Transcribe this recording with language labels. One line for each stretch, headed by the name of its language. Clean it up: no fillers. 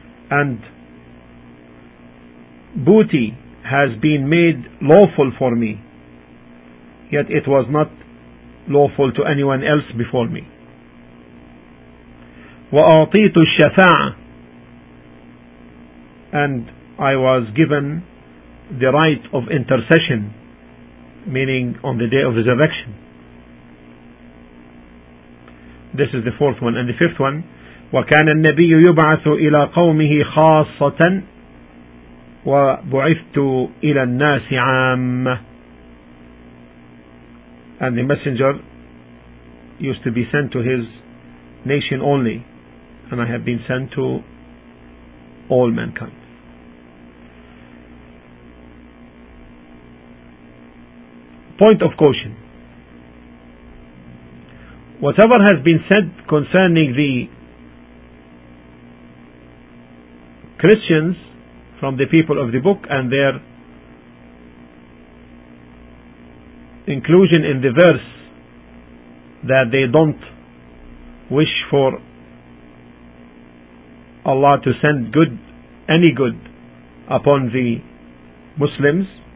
English: And booty has been made lawful for me, yet it was not lawful to anyone else before me.
Arabic: وَأَعْطِيتُ الشَّفَاعَ.
English: And I was given the right of intercession, meaning on the day of resurrection. This is the fourth one. And the fifth one,
Arabic: وَكَانَ النَّبِيُّ يُبْعَثُ إِلَىٰ قَوْمِهِ خَاصَّةً وَبُعِثْتُ إِلَى النَّاسِ عَامَّةً.
English: And the messenger used to be sent to his nation only, and I have been sent to all mankind. Point of caution: whatever has been said concerning the Christians from the people of the book and their inclusion in the verse that they don't wish for Allah to send any good upon the Muslims,